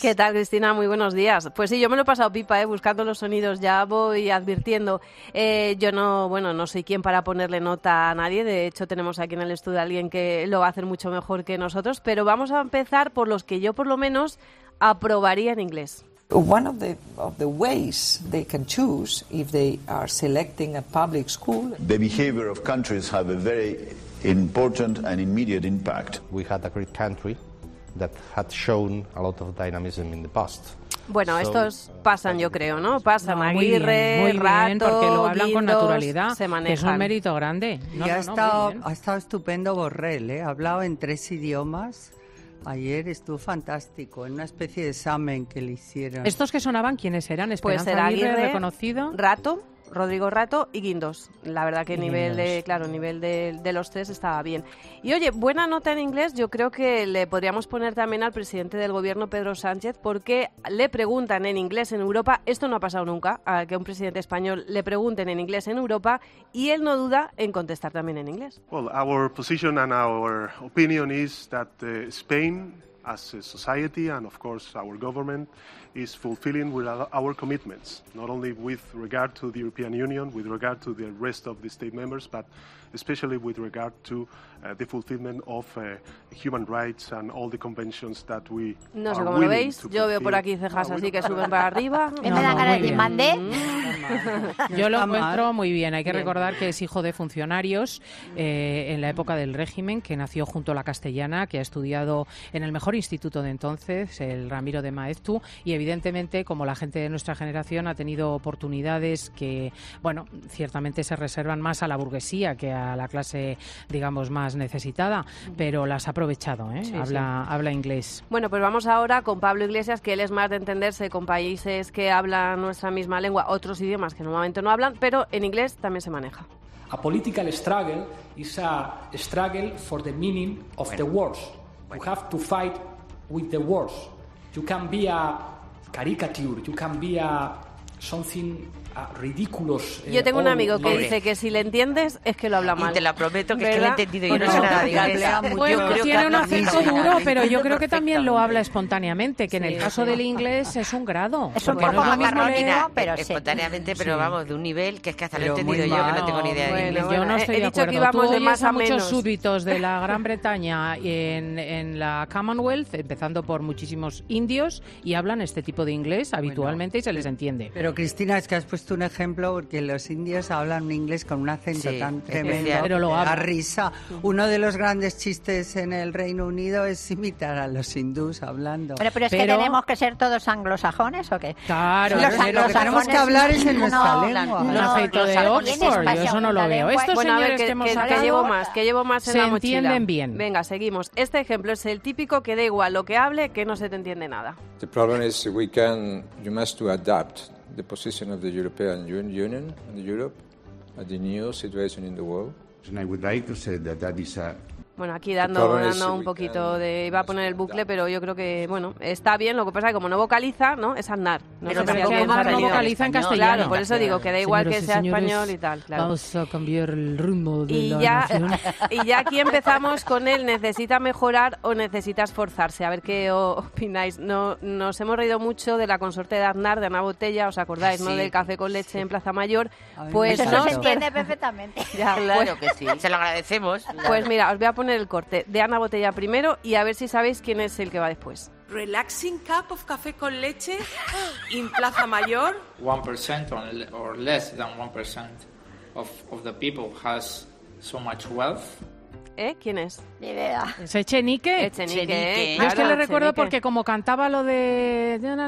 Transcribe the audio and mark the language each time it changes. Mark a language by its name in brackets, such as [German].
[Spanish] ¿Qué tal, Cristina? Muy buenos días. Pues sí, yo me lo he pasado pipa, buscando los sonidos. Ya voy advirtiendo. Yo no soy quien para ponerle nota a nadie. De hecho, tenemos aquí en el estudio a alguien que lo va a hacer mucho mejor que nosotros. Pero vamos a empezar por los que yo, por lo menos, aprobaría en inglés. [English] One of the ways they can choose if they are selecting a public school. The behavior of countries have a very important and immediate impact. We had a great country that had shown a lot of dynamism in the past. [Spanish] Bueno, so, estos pasan, yo creo, ¿no? Pasan, Aguirre, Rato, bien, porque lo hablan Guindos, con naturalidad. Se manejan. Es un mérito grande. Ha estado estupendo Borrell, ¿eh? Ha hablado en tres idiomas. Ayer estuvo fantástico, en una especie de examen que le hicieron. ¿Estos que sonaban quiénes eran? Esperanza pues Aguirre, reconocido. Rato, Rodrigo Rato y Guindos. La verdad que el nivel de los tres estaba bien. Y oye, buena nota en inglés, yo creo que le podríamos poner también al presidente del gobierno, Pedro Sánchez, porque le preguntan en inglés en Europa, esto no ha pasado nunca, a que un presidente español le pregunten en inglés en Europa, y él no duda en contestar también en inglés. [English] Well, our position and our opinion is that Spain, as a society and of course our government, is fulfilling with our commitments, not only with regard to the European Union, with regard to the rest of the state members, but especially with regard to the fulfillment of human rights and all the conventions that we [Spanish] no [English] are [Spanish] sé cómo [English] willing [Spanish] lo veis. [English] To [Spanish] yo veo por aquí cejas así que suben para arriba. Me da cara de mandé. Yo lo encuentro muy bien. Hay que recordar que es hijo de funcionarios en la época del régimen, que nació junto a la castellana, que ha estudiado en el mejor instituto de entonces, el Ramiro de Maeztu, y evidentemente, como la gente de nuestra generación ha tenido oportunidades que, bueno, ciertamente se reservan más a la burguesía que a la clase, digamos, más necesitada, pero las ha aprovechado, ¿eh? Sí, habla inglés. Bueno, pues vamos ahora con Pablo Iglesias, que él es más de entenderse con países que hablan nuestra misma lengua, otros idiomas que normalmente no hablan, pero en inglés también se maneja. [English] A political struggle is a struggle for the meaning of the words. You have to fight with the words. You can be a caricature, you can be a something [Spanish] ridículos. Yo tengo un amigo que dice que si le entiendes es que lo habla mal. Y te lo prometo que, es que lo he entendido. Yo no sé nada de inglés. Bueno, yo creo tiene que un acento duro, pero yo creo que también lo habla espontáneamente, que sí, en el caso del inglés es un grado. Es un poco más marroquina, pero sí. Espontáneamente, pero vamos, de un nivel que es que hasta lo he entendido yo, que no tengo ni idea de inglés. Yo no estoy de acuerdo. Tú oyes a muchos súbditos de la Gran Bretaña en la Commonwealth, empezando por muchísimos indios, y hablan este tipo de inglés habitualmente y se les entiende. Pero Cristina, es que has puesto un ejemplo porque los indios hablan un inglés con un acento tan tremendo, que da risa. Uno de los grandes chistes en el Reino Unido es imitar a los hindús hablando. Pero que tenemos que ser todos anglosajones, ¿o qué? Claro, los anglosajones, lo que tenemos que hablar es en nuestra lengua. No, aceite de Oxford, yo eso no lo veo. Estos bueno, señores a ver, que hemos hablado, que llevo más en la mochila. Se entienden bien. Venga, seguimos. Este ejemplo es el típico que da igual lo que hable, que no se te entiende nada. [English] The problem is we can, you must to adapt the position of the European Union and Europe at the new situation in the world. And I would like to say that that is a... [Spanish] Bueno, aquí dando un poquito de... Iba a poner el bucle, pero yo creo que, bueno, está bien. Lo que pasa es que como no vocaliza, ¿no? Es andar. No pero sé si tampoco más no vocaliza en castellano. Claro, por eso digo que da igual señores que sea español y tal. Claro. Vamos a cambiar el rumbo de y la ya, y ya aquí empezamos con el necesita mejorar o necesita esforzarse. A ver qué opináis. No, nos hemos reído mucho de la consorte de Aznar, de Ana Botella, ¿os acordáis, sí, no? Del café con leche sí. En Plaza Mayor. Pues eso se entiende perfectamente. Ya, claro pues, que sí. Se lo agradecemos. Claro. Pues mira, os voy a poner el corte de Ana Botella primero y a ver si sabéis quién es el que va después. [English] Relaxing cup of [Spanish] café con leche [English] in Plaza Mayor. 1% or less than 1% of the people has so much wealth. [Spanish] ¿Eh? ¿Quién es? Ni idea. ¿Es Echenique? Echenique. Claro, yo es que le recuerdo porque como cantaba lo de...